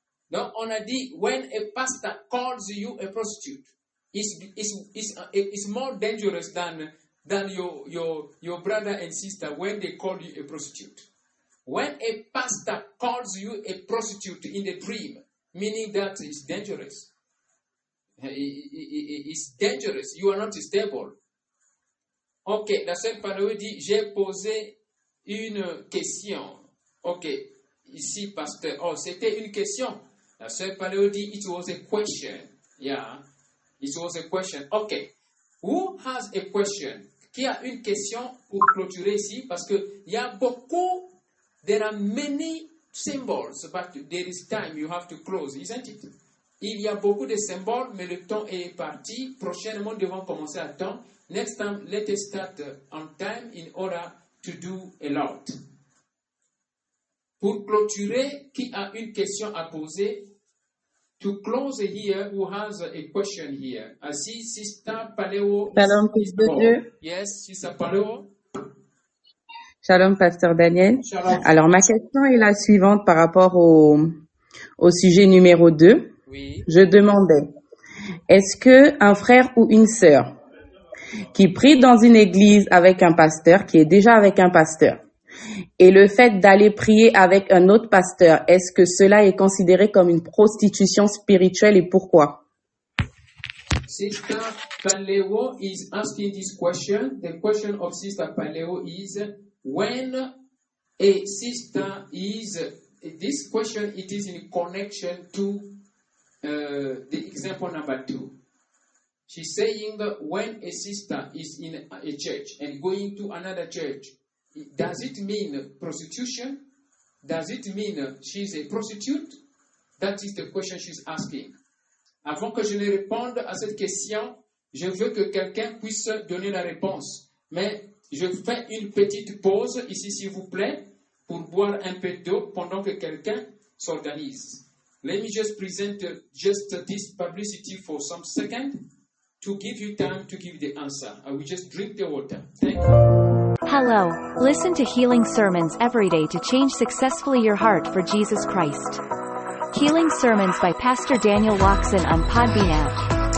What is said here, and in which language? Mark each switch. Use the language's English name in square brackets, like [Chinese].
[French] Donc, on a dit, [English] when a pastor calls you a prostitute, it's more dangerous than your brother and sister when they call you a prostitute. When a pastor calls you a prostitute in the dream, meaning that it's dangerous. It's dangerous. You are not stable. [French] Ok, la sœur Paléo dit, j'ai posé une question. Ok, ici, pasteur. Oh, c'était une question. La sœur Paléo dit, [English] it was a question. Yeah, it was a question. Ok, who has a question? [French] Qui a une question pour clôturer ici? Parce que il y a beaucoup, [English] there are many symbols, but there is time you have to close, isn't it? [French] Il y a beaucoup de symboles, mais le temps est parti. Prochainement, nous devons commencer à temps. [English] Next time, let us start on time in order to do a lot. [French] Pour clôturer, qui a une question à poser? [English] To close here, who has a question here? I see Sister Paléo. [French] Shalom, fils de Dieu. [English] Yes, Sister Paléo. [French] Shalom, Pasteur Daniel. Shalom. Alors, ma question est la suivante par rapport au sujet numéro 2. Oui. Je demandais, est-ce que un frère ou une sœur qui prie dans une église avec un pasteur, qui est déjà avec un pasteur, et le fait d'aller prier avec un autre pasteur, est-ce que cela est considéré comme une prostitution spirituelle et pourquoi? [English] Sister Paléo is asking this question. The question of Sister Paléo is, when a sister is, this question, it is in connection to the example number 2. She's saying that when a sister is in a church and going to another church, Does it mean prostitution? Does it mean she's a prostitute? That is the question she's asking. [French] Avant que je ne réponde à cette question, je veux que quelqu'un puisse donner la réponse. Mais je fais une petite pause ici, s'il vous plaît, pour boire un peu d'eau pendant que quelqu'un s'organise. [English] Let me just present just this publicity for some seconds to give you time to give the answer. I will just drink the water. Thank you. Hello. Listen to healing sermons every day to change successfully your heart for Jesus Christ. Healing sermons by Pastor Daniel Watson on Podbean app.